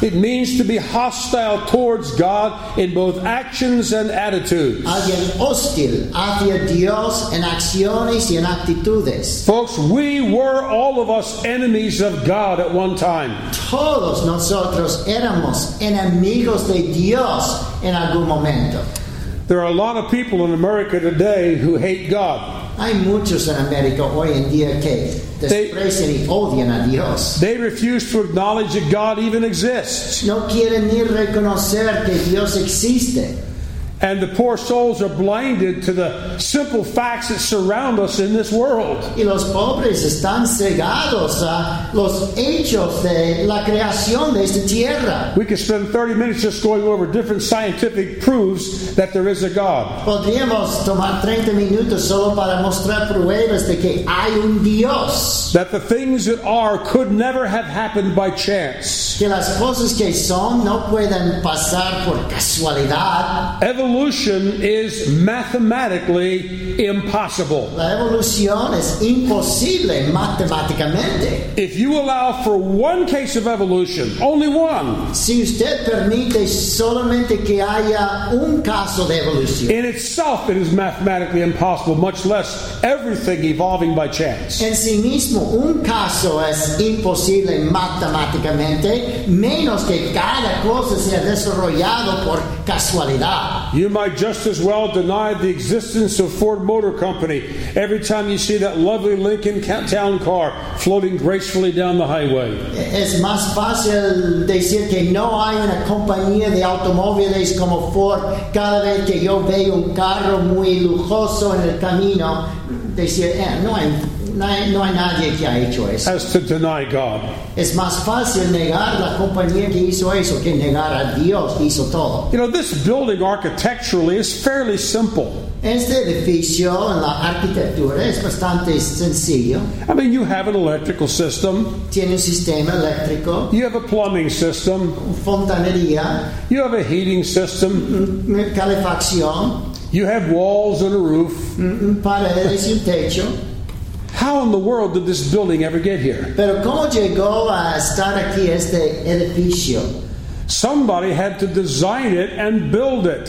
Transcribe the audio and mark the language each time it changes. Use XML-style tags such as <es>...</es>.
<en>It means to be hostile towards God in both actions and attitudes.</en> <es>Alguien hostil hacia Dios en acciones y en actitudes.</es> <en>Folks, we were all of us enemies of God at one time.</en> <es>Todos nosotros éramos enemigos de Dios en algún momento.</es> <en>There are a lot of people in America today who hate God.</en> <es>Hay muchos en América hoy en día que desprecian y odian a Dios.</es> <en>They refuse to acknowledge that God even exists.</en> <es>No quieren ni reconocer que Dios existe.</es> <en>And the poor souls are blinded to the simple facts that surround us in this world.</en> <es>Y los pobres están cegados a los hechos de la creación de esta tierra.</es> <en>We could spend 30 minutes just going over different scientific proofs that there is a God.</en> <es>Podríamos tomar 30 minutos solo para mostrar pruebas de que hay un Dios.</es> <en>That the things that are could never have happened by chance.</en> <es>Que las cosas que son no pueden pasar por casualidad.</es> <en>Evolution is mathematically impossible.</en> <es>La evolución es imposible matemáticamente.</es> <en>If you allow for one case of evolution, only one.</en> <es>Si usted permite solamente que haya un caso de evolución.</es> <en>In itself, it is mathematically impossible, much less everything evolving by chance.</en> <es>En sí mismo, un caso es imposible matemáticamente, menos que cada cosa sea desarrollado por casualidad.</es> <en>You might just as well deny the existence of Ford Motor Company every time you see that lovely Lincoln Town car floating gracefully down the highway.</en> <es>Es más fácil decir que no hay una compañía de automóviles como Ford cada vez que yo veo un carro muy lujoso en el camino. Decir, no hay nadie que ha hecho eso.</es> <en>As to deny God.</en> <es>Es más fácil negar la compañía que hizo eso que negar a Dios que hizo todo.</es> <en>You know, this building architecturally is fairly simple.</en> <es>Este edificio en la arquitectura es bastante sencillo.</es> <en>I mean, you have an electrical system.</en> <es>Tiene un sistema eléctrico.</es> <en>You have a plumbing system.</en> <es>Fontanería.</es> <en>You have a heating system.</en> <es>Calefacción.</es> <en>You have walls and a roof.</en> <es>Paredes y un techo.</es> <en>How in the world did this building ever get here?</en> <es>Pero cómo llegó a estar aquí este edificio?</es> <en>Somebody had to design it and build it.</en>